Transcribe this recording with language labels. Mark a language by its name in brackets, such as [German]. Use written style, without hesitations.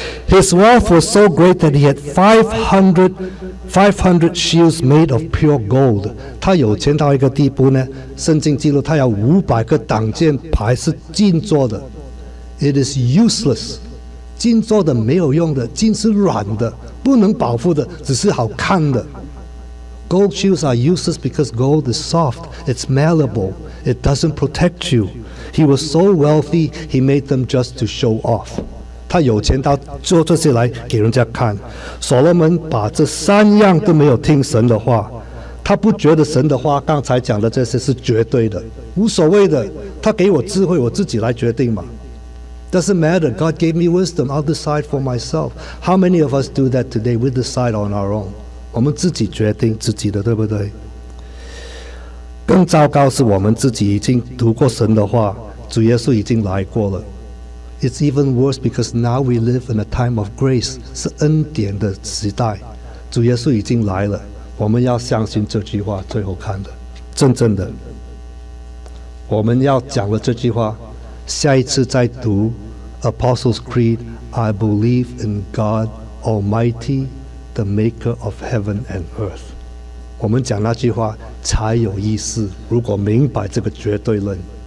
[English] His wealth was so great that he had 500 shields made of pure gold. [Chinese] 他有钱到一个地步呢，圣经记录他有500个挡箭牌是金做的。 [English] It is useless， [Chinese] 金做的没有用的，金是软的，不能保护的，只是好看的。 [English] Gold shields are useless because gold is soft. It's malleable. It doesn't protect you. He was so wealthy, he made them just to show off. [Chinese] 他有钱到做这些来给人家看。所罗门把这三样都没有听神的话，他不觉得神的话刚才讲的这些是绝对的，无所谓的。他给我智慧，我自己来决定嘛。 [English] Doesn't matter. God gave me wisdom. I'll decide for myself. How many of us do that today? We decide on our own. [Chinese] 我们自己决定自己的，对不对？更糟糕是我们自己已经读过神的话，主耶稣已经来过了。 [English] It's even worse because now we live in a time of grace, [Chinese] 是恩典的时代。主耶稣已经来了，我们要相信这句话，最后看的，真正的。我们要讲了这句话，下一次再读 Apostles' Creed, [English] I believe in God Almighty,The maker of heaven and earth. [Chinese] 我们讲那句话才有意思，如果明白这个绝对论。